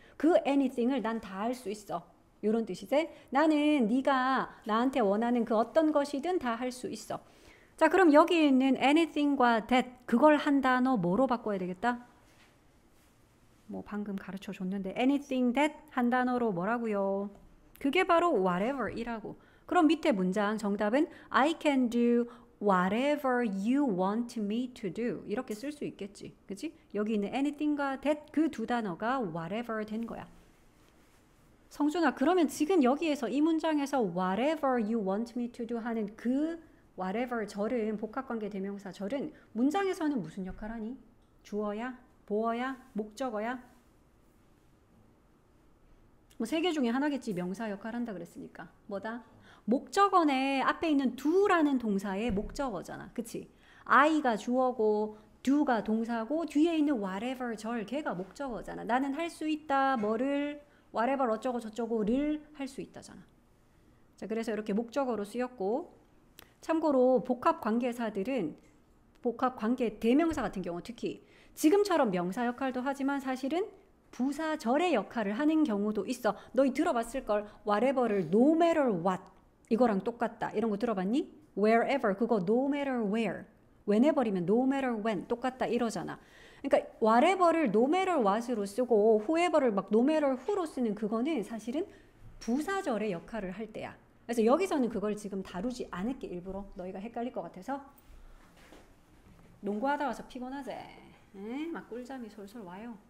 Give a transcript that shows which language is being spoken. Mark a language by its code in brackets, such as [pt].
[ko] 그 anything을 난 다 할 수 있어. 이런 뜻이지? 나는 네가 나한테 원하는 그 어떤 것이든 다 할 수 있어. 자, 그럼 여기 있는 anything과 that, 그걸 한 단어 뭐로 바꿔야 되겠다? 뭐 방금 가르쳐 줬는데 anything, that 한 단어로 뭐라고요? 그게 바로 whatever이라고. 그럼 밑에 문장 정답은 [en] I can do whatever you want me to do. [ko] 이렇게 쓸 수 있겠지, 그치? 여기 있는 anything과 that, 그 두 단어가 whatever 된 거야. 성준아, 그러면 지금 여기에서 이 문장에서 [en] whatever you want me to do [ko] 하는 그 whatever 절은 복합관계 대명사 절은 문장에서는 무슨 역할 하니? 주어야? 보어야? 목적어야? 뭐 세 개 중에 하나겠지. 명사 역할 한다 그랬으니까. 뭐다? 목적어 내 앞에 있는 do라는 동사의 목적어잖아. 그치? I가 주어고 do가 동사고 뒤에 있는 whatever 절 걔가 목적어잖아. 나는 할 수 있다. 뭐를? whatever 어쩌고 저쩌고를 할 수 있다잖아. 자, 그래서 이렇게 목적어로 쓰였고 참고로 복합관계사들은 복합관계 대명사 같은 경우 특히 지금처럼 명사 역할도 하지만 사실은 부사절의 역할을 하는 경우도 있어. 너희 들어봤을걸. whatever를 [en] no matter what [ko] 이거랑 똑같다. 이런 거 들어봤니? wherever 그거 [en] no matter where. [ko] whenever이면 [en] no matter when [ko] 똑같다 이러잖아. 그러니까 whatever를 [en] no matter what [ko] 으로 쓰고 whoever를 막 [en] no matter who [ko] 로 쓰는 그거는 사실은 부사절의 역할을 할 때야. 그래서 여기서는 그걸 지금 다루지 않을게. 일부러 너희가 헷갈릴 것 같아서. 농구하다 와서 피곤하지? 막 꿀잠이 솔솔 와요.